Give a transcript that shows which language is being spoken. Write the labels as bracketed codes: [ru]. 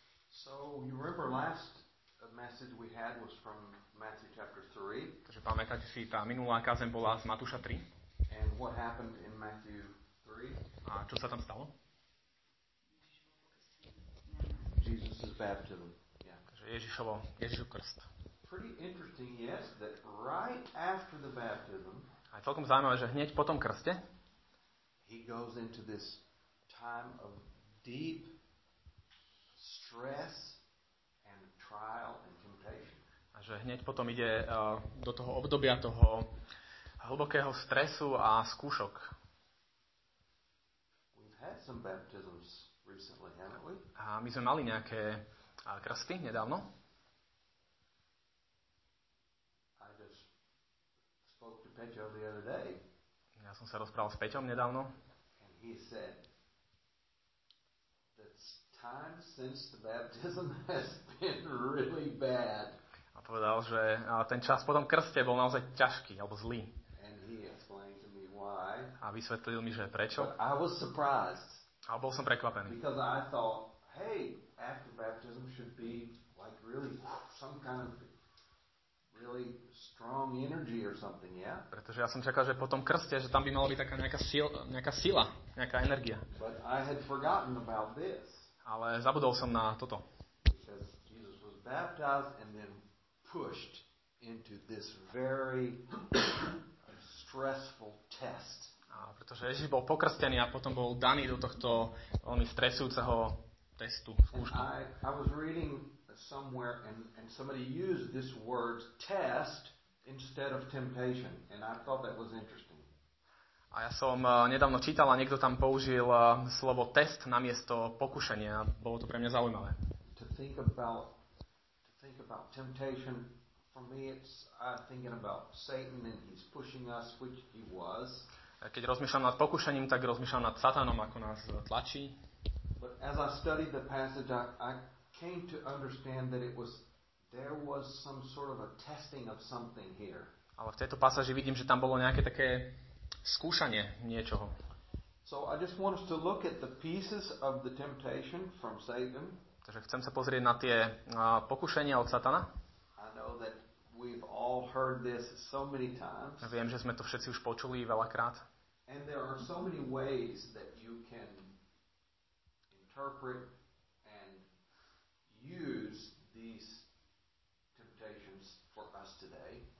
[en] So you remember last message we had was from Matthew chapter 3. [sk] Takže pamätáte si, tá minulá kázeň bola z Matúša 3. [en] And what happened in Matthew 3? [sk] A čo sa tam stalo? [en] Jesus' baptism. [sk] Takže Ježišov krst. [en] Pretty interesting, yes, that right after the baptism. [sk] A celkom zaujímavé, že hneď po tom krste. [en] He goes into this time of deep stress and trial and temptation. [sk] A že hneď potom ide do toho obdobia toho hlbokého stresu a skúšok. [en] We've had some baptisms recently, haven't we? [sk] A my sme mali nejaké krsty nedávno. [en] I just spoke to Peťo the other day. [sk] Ja som sa rozprával s Peťom nedávno. [en] And he said, time since the baptism has been really bad. [sk] A povedal, že ten čas po tom krste bol naozaj ťažký alebo zlý. [en] And he explained to me why. [sk] A vysvetlil mi, že prečo. [en] But I was surprised. [sk] A bol som prekvapený. [en] Because I thought, hey, after baptism should be like really some kind of really strong energy or something, yeah? [sk] Pretože ja som čakal, že po tom krste, že tam by malo byť taká nejaká sila, nejaká energia. [en] But I had forgotten about this. [sk] Ale zabudol som na toto. [en] Jesus was baptized and then pushed into this very stressful test. [sk] A pretože Ježiš bol pokrstený a potom bol daný do tohto veľmi stresujúceho testu, skúšku. [en] I was reading somewhere and somebody used this word test instead of temptation and I thought that was interesting. [sk] A ja som nedávno čítal a niekto tam použil slovo test namiesto pokušenia. Bolo to pre mňa zaujímavé. [en] To think about temptation, for me it's thinking about Satan and he's pushing us, which he was. [sk] Keď rozmýšľam nad pokušením, tak rozmýšľam nad Satanom, ako nás tlačí. [en] But as I studied the passage, I came to understand that there was some sort of a testing of something here. [sk] Ale v tejto pasáži vidím, že tam bolo nejaké také skúšanie niečoho. [en] So I just want us to look at the pieces of the temptation from Satan. [sk] Takže chcem sa pozrieť na tie pokušenia od Satana. [en] I know that we've all heard this so many times. [sk] Viem, že sme to všetci už počuli veľakrát. [en] And there are so many ways that you can interpret and use these temptations for us today.